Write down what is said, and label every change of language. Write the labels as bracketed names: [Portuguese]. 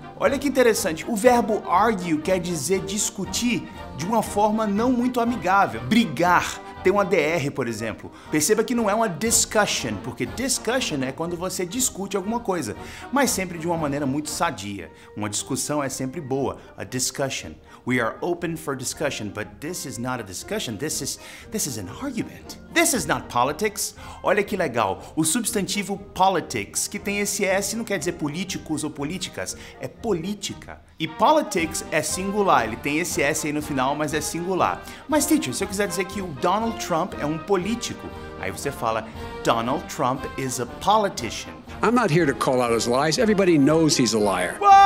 [Portuguese] Olha que interessante, o verbo argue quer dizer discutir de uma forma não muito amigável. Brigar, ter uma DR, por exemplo. Perceba que não é uma discussion, porque discussion é quando você discute alguma coisa, mas sempre de uma maneira muito sadia. Uma discussão é sempre boa, a discussion. [English] We are open for discussion, but this is not a discussion, this is an argument. This is not politics. [Portuguese] Olha que legal, o substantivo politics, que tem esse S, não quer dizer políticos ou políticas, é política. E politics é singular, ele tem esse S aí no final, mas é singular. Mas, teacher, se eu quiser dizer que o Donald Trump é político, aí você fala, [English] Donald Trump is a politician. I'm not here to call out his lies, everybody knows he's a liar.